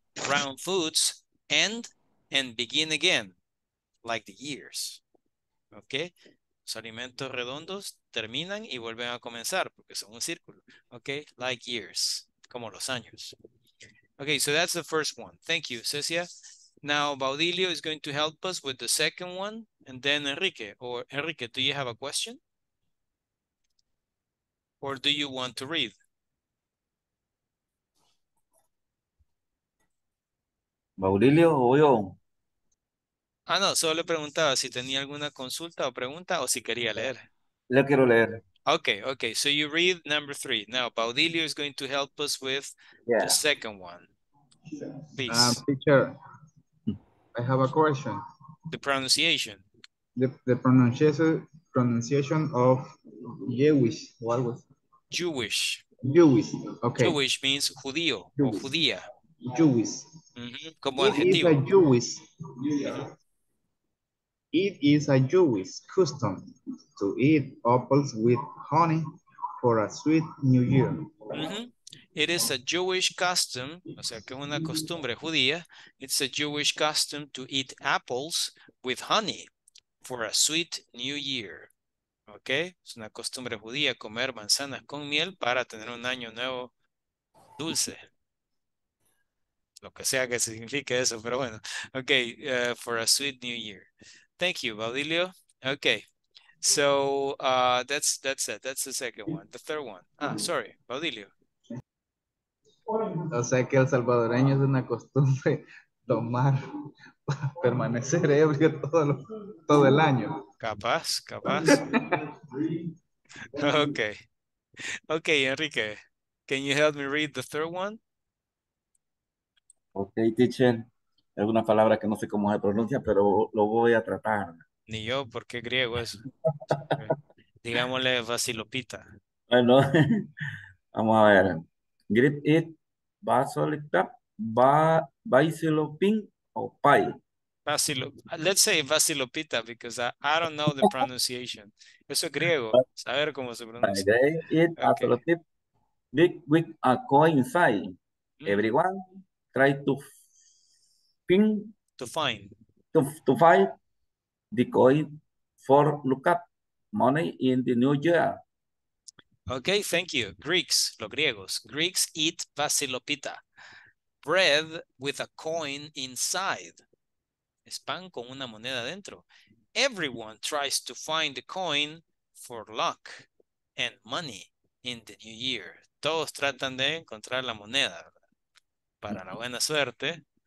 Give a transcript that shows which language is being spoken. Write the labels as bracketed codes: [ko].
[en] Round foods end and begin again, like the years. Okay? [es] Los alimentos redondos terminan y vuelven a comenzar porque son un círculo. [en] Okay, like years, [es] como los años. [en] Okay, so that's the first one. Thank you, Cecia. Now, Baudilio is going to help us with the second one. And then Enrique, or Enrique, do you have a question? Or do you want to read? [es] Baudilio, o yo. Ah, no, solo le preguntaba si tenía alguna consulta o pregunta o si quería leer. Le quiero leer. [en] Okay, okay, so you read number three. Now, Baudilio is going to help us with the second one. Please. Teacher, I have a question. The pronunciation. The pronunciation of Jewish, what was it? Jewish. Jewish, okay. Jewish means [es] judío o judía. [en] Jewish. [es] Mm-hmm. Como adjetivo. [en] It is a Jewish. It is a Jewish custom to eat apples with honey for a sweet new year. [es] Mm-hmm. [en] It is a Jewish custom, [es] o sea, que es una costumbre judía. [en] It's a Jewish custom to eat apples with honey for a sweet new year. [es] Okay, es una costumbre judía comer manzanas con miel para tener un año nuevo dulce. Lo que sea que signifique eso, pero bueno. [en] Okay, for a sweet new year. Thank you, Valilio. Okay, so that's it. That's the second one. The third one. Ah, sorry, Valilio. [es] O sea que el salvadoreño es una costumbre tomar para permanecer ebrio todo el año. Capaz, capaz. Okay. Okay, Enrique. [en] Can you help me read the third one? Okay, teacher. [es] Es una palabra que no sé cómo se pronuncia, pero lo voy a tratar. Ni yo, porque griego es. Digámosle vacilopita. Bueno, vamos a ver. Grip it, basilopita, basilopin, o pai. [en] Let's say vacilopita, because I don't know the pronunciation. [es] Eso es griego, saber cómo se pronuncia. [en] Grip it, basilopita, big with a coin sign. Everyone, try to ping to find the coin for lookup money in the new year. Okay, thank you. Greeks, [es] los griegos. [en] Greeks eat vasilopita, bread with a coin inside. [es] Es pan con una moneda dentro. [en] Everyone tries to find the coin for luck and money in the new year. [es] Todos tratan de encontrar la moneda para la buena suerte.